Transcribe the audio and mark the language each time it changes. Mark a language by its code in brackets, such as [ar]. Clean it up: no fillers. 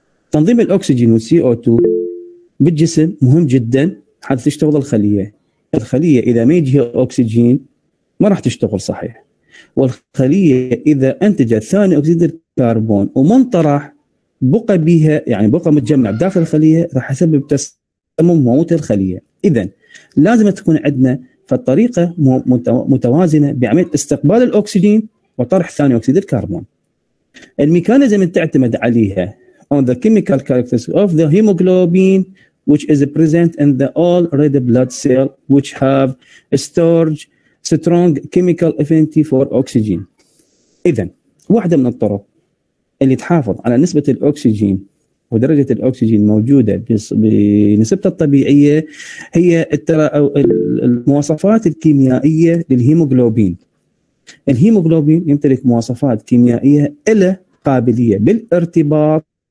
[ar] تنظيم الاكسجين والسي او 2 بالجسم مهم جدا حتى تشتغل الخليه الخليه اذا ما يجيها اكسجين ما راح تشتغل صحيح والخليه اذا انتجت ثاني اكسيد الكربون ومنطرح بقى بيها يعني بقى متجمع داخل الخليه راح يسبب تسمم وموت الخليه اذا لازم تكون عندنا فالطريقة متوازنة بعملية استقبال الأكسجين وطرح ثاني أكسيد الكربون. الميكانيزم تعتمد عليها [en] on the chemical characteristics of the hemoglobin which is present in the all red blood cell which have storage strong chemical affinity for oxygen. [ar] إذن واحدة من الطرق اللي تحافظ على نسبة الأكسجين ودرجة الأكسجين موجودة بنسبتها الطبيعية هي المواصفات الكيميائية للهيموغلوبين الهيموغلوبين يمتلك مواصفات كيميائية إلى قابلية بالارتباط